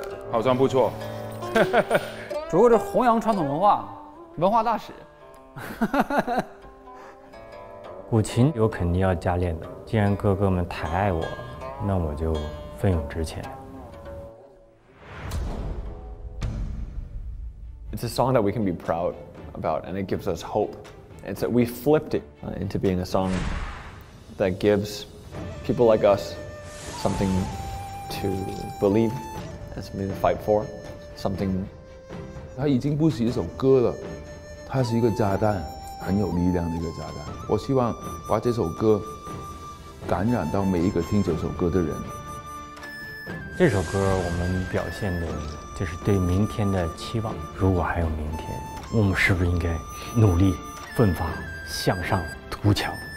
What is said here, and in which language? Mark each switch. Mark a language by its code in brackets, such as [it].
[zh] 好像不错，主要是弘扬传统文化，文化大使。古琴我肯定要加练的，既然哥哥们太爱我，那我就奋勇直前。 [en] It's a song that we can be proud about, and it gives us hope. It's that we flipped it into being a song that gives people like us something to believe, and something to fight for, something. [zh] 它已经不是一首歌了，它是一个炸弹。很有力量的一个炸弹，我希望把这首歌感染到每一个听这首歌的人。这首歌我们表现的就是对明天的期望，如果还有明天，我们是不是应该努力奋发向上图强。